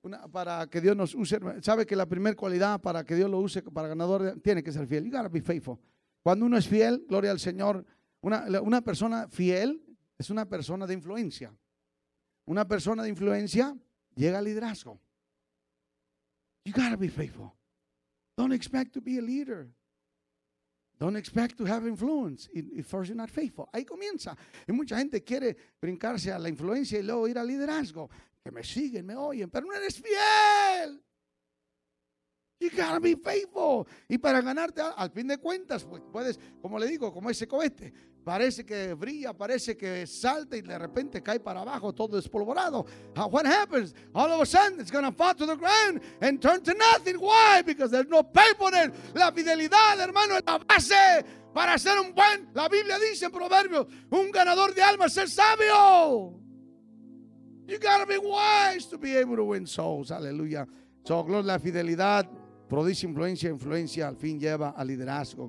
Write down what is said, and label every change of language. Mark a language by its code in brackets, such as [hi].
[es] Para que Dios nos use, sabe que la primera cualidad para que Dios lo use para ganador tiene que ser fiel. [en] You gotta be faithful. [es] Cuando uno es fiel, gloria al Señor, una persona fiel es una persona de influencia. Una persona de influencia llega al liderazgo. [en] You gotta be faithful. Don't expect to be a leader. Don't expect to have influence if first you're not faithful. [es] Ahí comienza. Y mucha gente quiere brincarse a la influencia y luego ir al liderazgo. Que me siguen, me oyen, pero no eres fiel. [en] You gotta be faithful. [es] Y para ganarte, al fin de cuentas, pues puedes, como le digo, como ese cohete. Parece que brilla, parece que salta y de repente cae para abajo todo espolvorado. [en] What happens? All of a sudden it's going to fall to the ground and turn to nothing. Why? Because there's no faithfulness. [es] La fidelidad, hermano, es la base para ser un buen. La Biblia dice en Proverbios, un ganador de almas es sabio. [en] You got to be wise to be able to win souls. Hallelujah. [es] So, Gloria, la fidelidad produce influencia. Influencia al fin lleva a liderazgo.